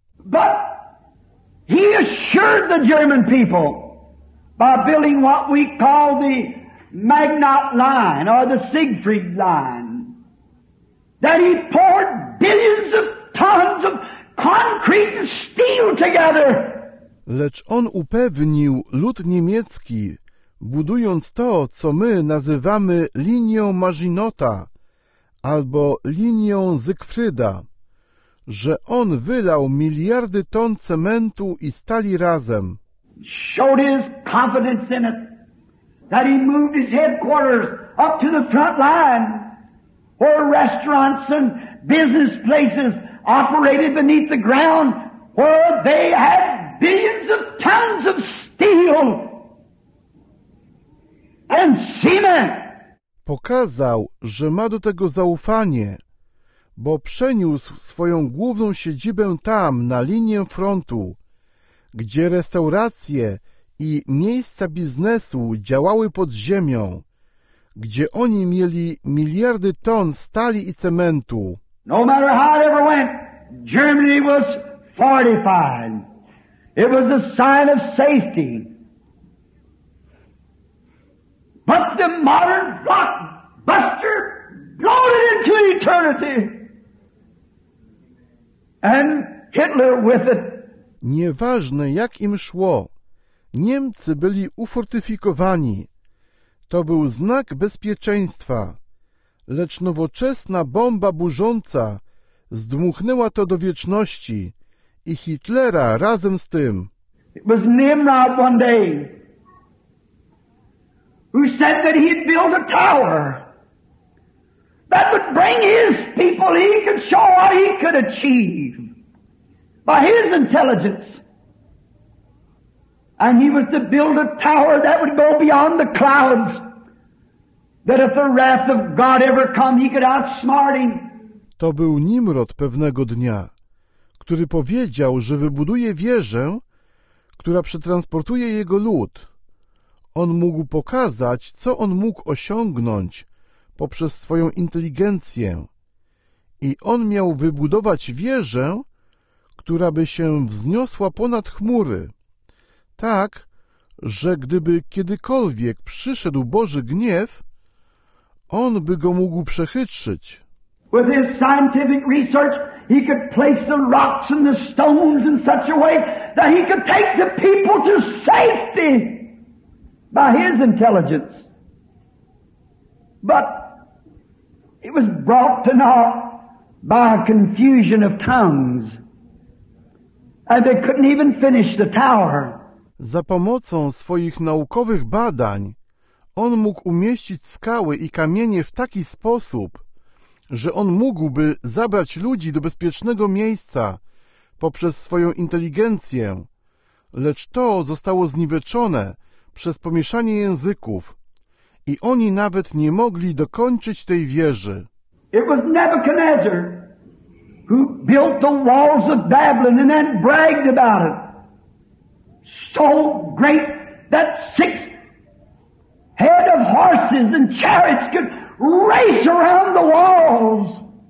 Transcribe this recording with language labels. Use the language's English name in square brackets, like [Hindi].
[English] But he assured the German people by building what we call the Magnot line or the Siegfried line, that he poured billions of tons of concrete and steel together. [Polish] Lecz on upewnił lud niemiecki, budując to, co my nazywamy linią Maginota albo linią Siegfrieda, że on wylał miliardy ton cementu i stali razem. [English] Showed his confidence in it, that he moved his headquarters up to the front line, where restaurants and business places operated beneath the ground, where they had billions of tons of steel and cement. [Polish] Pokazał, że ma do tego zaufanie, bo przeniósł swoją główną siedzibę tam, na linię frontu, gdzie restauracje i miejsca biznesu działały pod ziemią, gdzie oni mieli miliardy ton stali i cementu. [English] No matter how it ever went, Germany was fortified. It was a sign of safety. But the modern blockbuster blown it into eternity. And Hitler with it. [Polish] Nieważne jak im szło, Niemcy byli ufortyfikowani. To był znak bezpieczeństwa. Lecz nowoczesna bomba burząca zdmuchnęła to do wieczności i Hitlera razem z tym. [English] It was Nimrod one day who said that he'd build a tower that would bring his people, he could show what he could achieve by his intelligence. And he was to build a tower that would go beyond the clouds, that if the wrath of God ever come, he could outsmart him. [Polish] To był Nimrod pewnego dnia, który powiedział, że wybuduje wieżę, która przetransportuje jego lud. On mógł pokazać, co on mógł osiągnąć poprzez swoją inteligencję. I on miał wybudować wieżę, która by się wzniosła ponad chmury, tak, że gdyby kiedykolwiek przyszedł Boży gniew, on by go mógł przechytrzyć. [English] With his scientific research, he could place the rocks and the stones in such a way that he could take the people to safety by his intelligence. But it was brought to naught by a confusion of tongues. And they couldn't even finish the tower. [Polish] Za pomocą swoich naukowych badań on mógł umieścić skały i kamienie w taki sposób, że on mógłby zabrać ludzi do bezpiecznego miejsca poprzez swoją inteligencję, lecz to zostało zniweczone przez pomieszanie języków i oni nawet nie mogli dokończyć tej wieży. [English] It was Nebuchadnezzar who built the walls of Babylon and then bragged about it. So great that six head of horses and chariots could race around the walls.